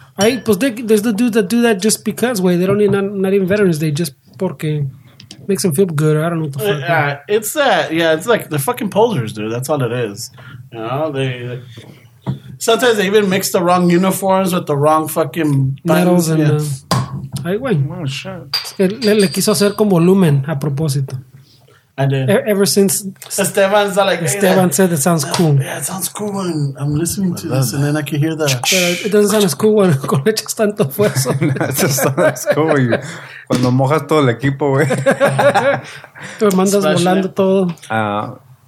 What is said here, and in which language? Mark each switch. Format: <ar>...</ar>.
<en>There's the dudes that do that just because, Wayne. They don't need not even Veterans Day, just porque. Makes them feel good. I don't know what the fuck. It's like the fucking posers, dude. That's all it is. You know, sometimes they even mix the wrong uniforms with the wrong fucking medals and ay, güey. Oh, shit.</en> <es>Es que le quiso hacer con volumen a propósito.</es> <en>I did. Ever since Esteban's like, Esteban said it sounds cool. Yeah, it sounds cool when I'm listening to this and then I can hear that. It doesn't sound as cool when</en> <es>con echas tanto esfuerzo.</es> <en>It just sounds cool when you</en> <es>mojas todo el equipo, güey. Tú mandas volando todo.</es>